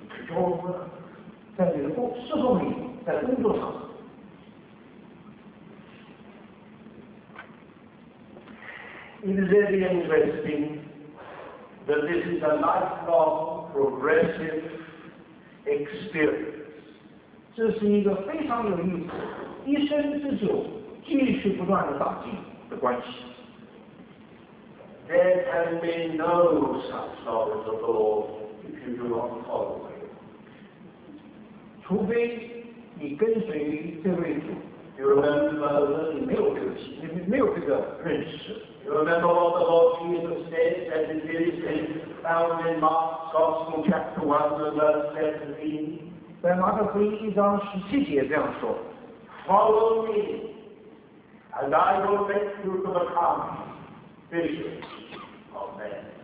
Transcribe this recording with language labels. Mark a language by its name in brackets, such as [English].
[Chinese] 可就是说在你的工侍奉里，在工作上， [English] It is very interesting that this is a lifelong progressive experience. [Chinese] 这是一个非常有意思，一生之久，继续不断的打进的关系。 [English] There can be no such knowledge of the Lord if you do not follow Him. [Chinese] 除非你跟随这位主。 [English] You remember that [Chinese] 你没有这个心，你没有这个认识。 [English] You remember what the Lord Jesus said, as it is found in Mark's Gospel, chapter 1, verse 17. [Chinese] 在马可福音一章十七节这样说 [English] Follow me, and I will make you to become fishers of men.